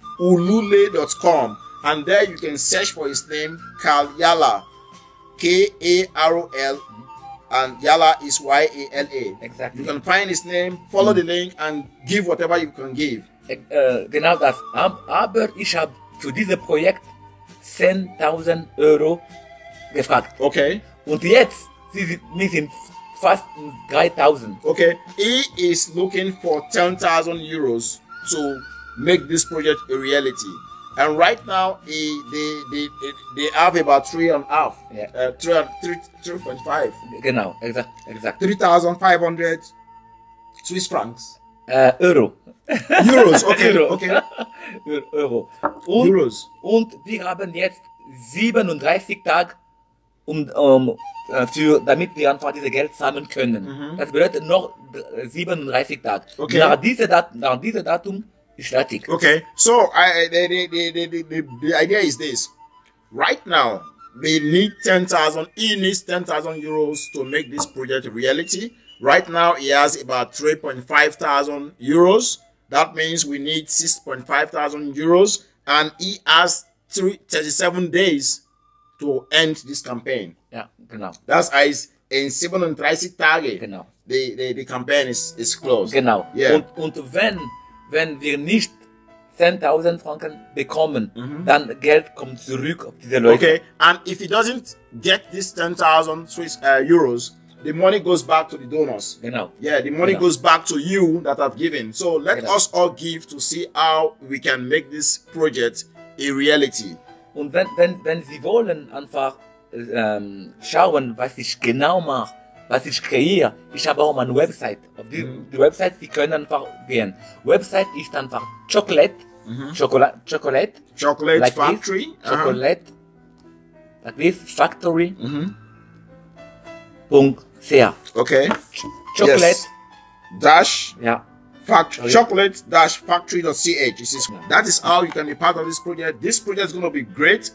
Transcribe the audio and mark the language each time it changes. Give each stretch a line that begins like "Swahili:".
English: Ulule.com and there you can search for his name Karl-Jalla, K-A-R-O-L and Yala is Y-A-L-A. Exactly. You can find his name, follow mm. the link and give whatever you can give.
German: Genau das. Aber ich habe für dieses Projekt 10.000 Euro gefragt. Okay. Und jetzt sind fast 3.000. Okay.
English: He is looking for 10.000 Euros to make this project a reality. And right now, they have about 3.5. Yeah. 3.5.
German: Genau, exactly.
English: 3,500 Swiss francs. Euro. Euros, okay. Euro. Okay. Euro.
German: Und, Euros. Und wir haben jetzt 37 Tage, damit wir einfach dieses Geld sammeln können. Mhm. Das bedeutet noch 37 Tage. Okay. Nach diesem Datum, static.
English: Okay, so the idea is this. Right now, we need 10,000, he needs 10,000 euros to make this project a reality. Right now, he has about 3,500 euros. That means we need 6,500 euros and he has 37 days to end this campaign. Yeah, genau. That's in 37 Tage.
German: Genau.
English: The campaign is closed.
German: Genau.
English: Yeah.
German: Und wenn wir nicht 10.000 Franken bekommen, mm-hmm. dann Geld kommt zurück auf diese Leute.
English: Okay, and if he doesn't get this 10.000 Swiss euros, the money goes back to the donors.
German: Genau.
English: Yeah, the money
German: genau.
English: goes back to you that have given. So let genau. us all give to see how we can make this project a reality.
German: Und wenn Sie wollen einfach schauen, was ich genau mache, was ich kreiere, ich habe auch meine Website. Auf die, mhm. die Website, die können einfach gehen. Website ist einfach Chocolate. Mhm.
English: Chocolate. Chocolate like Factory. Chocolate. Uh-huh. Like this, Factory. Mhm.
German: Punkt. Sehr. Okay. Chocolate.
English: Yes. Dash.
German: Ja.
English: chocolate-factory.ch. That is how you can be part of this project. This project is going to be great.